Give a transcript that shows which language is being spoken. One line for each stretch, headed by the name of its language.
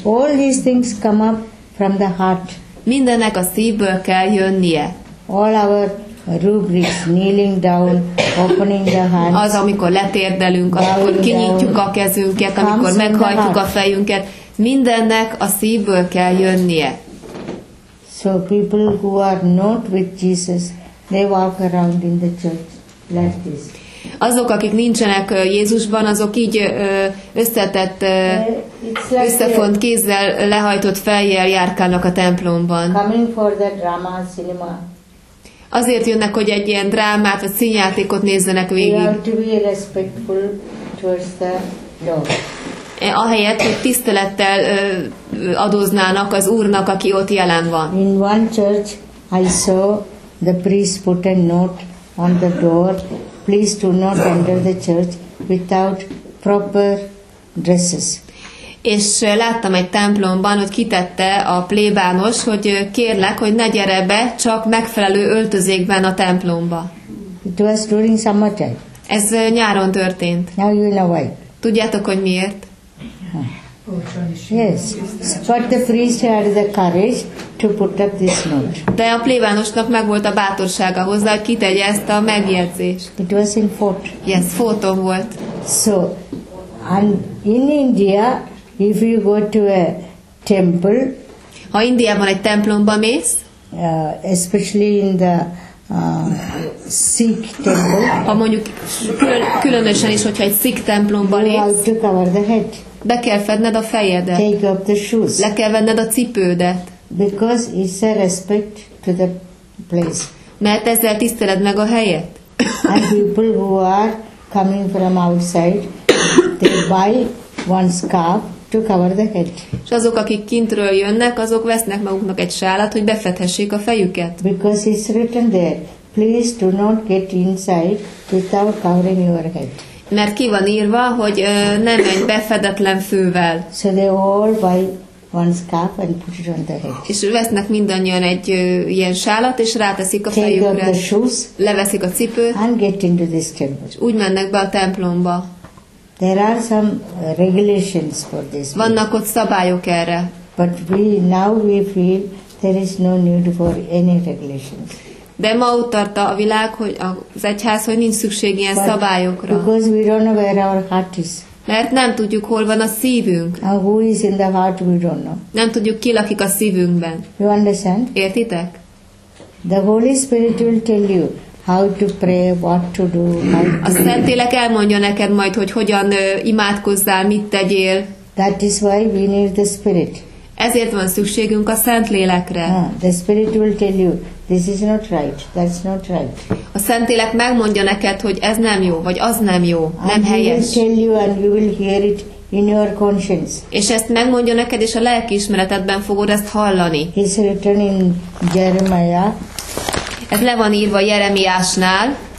English: All these things come up from the heart.
Hungarian: Mindenek a szívből kell jönnie.
English: All our rubrics, kneeling down, opening the hands.
Hungarian: Az, amikor letérdelünk, amikor kinyitjuk a kezünket, amikor meghajtjuk a fejünket, mindennek a szívből kell jönnie.
English: So people who are not with Jesus, they walk around in the church like this.
Hungarian: azok, akik nincsenek Jézusban, azok így összetett, összefont kézzel, lehajtott fejjel járkálnak a templomban.
English: Coming for the drama, cinema.
Hungarian: Azért jönnek, hogy egy ilyen drámát, vagy színjátékot nézzenek végig.
English: We have to be respectful towards the Lord.
Hungarian: Ahelyett, hogy tisztelettel adóznának az Úrnak, aki ott jelen van.
English: In one church I saw the priest put a note on the door, please do not enter the church without proper dresses.
Hungarian: És láttam egy templomban, hogy kitette a plébános, hogy kérlek, hogy ne gyere be, csak megfelelő öltözékben a templomba.
English: It was during summertime.
Hungarian: Ez nyáron történt.
English: Now you know why.
Hungarian: Tudjátok, hogy miért?
English: Yes, but the priest had the courage to put up this note.
Hungarian: De a plébánosnak meg volt a bátorsága hozzá, hogy kitegye ezt a megjegyzést.
English: It was in fort.
Hungarian: Yes, forton volt.
English: So, and in India, if you go to a temple,
Hungarian: ha Indiában egy templomba mész,
English: especially in the Sikh temple,
Hungarian: ha mondjuk különösen is, hogyha egy Sikh templomba lész,
English: you have to cover the head.
Hungarian: Be kell fedned a fejedet.
English: Take off the shoes.
Hungarian: Le kell venned a cipődet.
English: Because it's a respect to the place.
Hungarian: Mert ezzel tiszteled meg a helyet.
English: And people who are coming from outside, they buy one scarf to cover the head.
Hungarian: És azok, akik kintről jönnek, azok vesznek maguknak egy sálat, hogy befedhessék a fejüket.
English: Because it's written there, please do not get inside without covering your head.
Hungarian: Mert ki van írva, hogy ne menj befedetlen fővel.
English: So they all buy one scarf and put it on the head.
Hungarian: És vesznek mindannyian egy ilyen sálat, és ráteszik a fejükre.
English: Take off the shoes.
Hungarian: Leveszik a cipőt.
English: And get into this temple.
Hungarian: És úgy mennek be a templomba.
English: There are some regulations for this.
Hungarian: Vannak ott szabályok erre.
English: But we feel there is no need for any regulations.
Hungarian: De ma ott tart a világ, hogy az egyház, hogy nincs szükség ilyen
English: But
Hungarian: szabályokra.
English: Because we don't know where our heart is.
Hungarian: Mert nem tudjuk, hol van a szívünk.
English: Who is in the heart, we don't know.
Hungarian: Nem tudjuk, ki lakik a szívünkben.
English: You understand?
Hungarian: Értitek?
English: The Holy Spirit will tell you how to pray, what to do, how to
Hungarian: A Szentlélek elmondja neked majd, hogy hogyan imádkozzál, mit tegyél.
English: That is why we need the Spirit.
Hungarian: Ezért van szükségünk a Szentlélekre.
English: The Spirit will tell you, this is not right, that's not right.
Hungarian: A Szentlélek megmondja neked, hogy ez nem jó, vagy az nem jó, nem helyes.
English: And he will tell you, and you will hear it in your conscience.
Hungarian: És ezt megmondja neked, és a lelki ismeretedben fogod ezt hallani.
English: It's written in Jeremiah.
Hungarian: Ez le van írva Jeremiásnál.